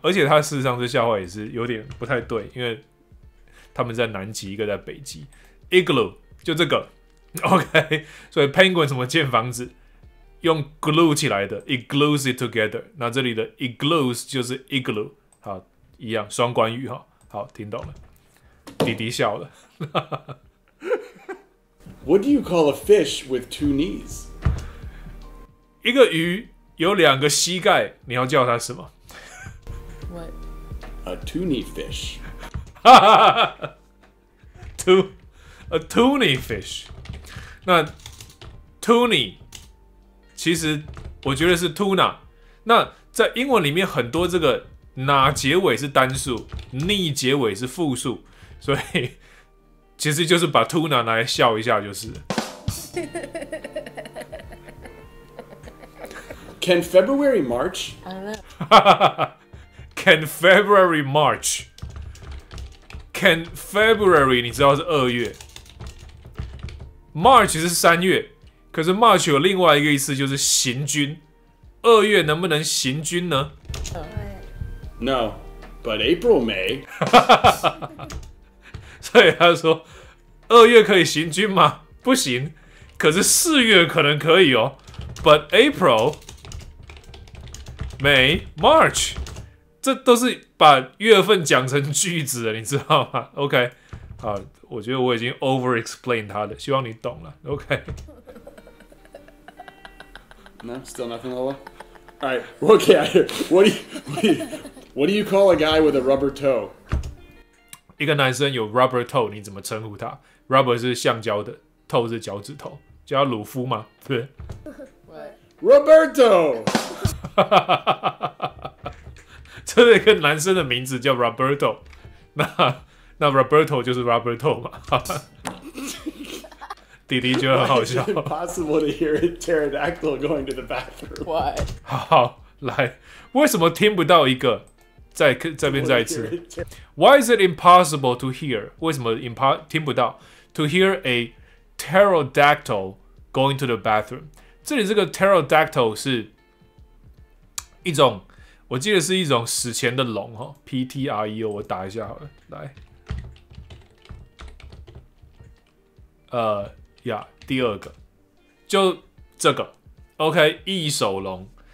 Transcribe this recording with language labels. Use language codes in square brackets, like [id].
[zh] 而且他事实上这笑话也是有点不太对，因为。他们在南极，一个在北极 ，igloo 就这个 ，OK。所以 penguin 怎么建房子？用 glue 起来的 ， [en] it glues it together。 [zh] 那这里的 it glues 就是 igloo， 好，一样双关语哈。好，听懂了，弟弟笑了。 [en] What do you call a fish with two knees？ [zh] 一个鱼有两个膝盖，你要叫它什么 [en] ？What？ A two-knee fish。 [zh] 哈哈哈 ，tuna fish， 那 tuna 其实我觉得是 tuna。那在英文里面很多这个哪结尾是单数 ，ni 结尾是复数，所以其实就是把 tuna 拿来笑一下就是。 [en] Can February March？哈哈哈 ，Can February March？ [zh] Can February 你知道是二月 ，March 是三月，可是 March 有另外一个意思，就是行军。二月能不能行军呢？ [en] No, but April may. [zh] 所以他说，二月可以行军吗？不行。可是四月可能可以哦。 [en] But April, May, March， [zh] 这都是把月份讲成句子的，你知道吗 ？OK， 好，我觉得我已经 over explain 他了，希望你懂了。 [en] OK。 No, still nothing, Lola. All right, okay. What do you call a guy with a rubber toe? [zh] 一个男生有 rubber toe， 你怎么称呼他 ？Rubber 是橡胶的 ，toe 是脚趾头，叫他鲁夫吗？对。 [en] What? Roberto. [zh] 这是一个男生的名字叫 Roberto， 那 Roberto 就是 Roberto 嘛。弟弟觉得很好笑。 [en] Why is it possible to hear a pterodactyl going to the bathroom? Why? [zh] 好，来，为什么听不到一个？再一次。 [en] Why is it impossible to hear? [zh] 为什么 听不到 [en] ？To hear a pterodactyl going to the bathroom. [zh] 这里这个 pterodactyl 是一种，我记得是一种史前的龙哈。 P T R E O， 我打一下好了，来。 Yeah, 第二个，就这个 ，OK， 异手龙。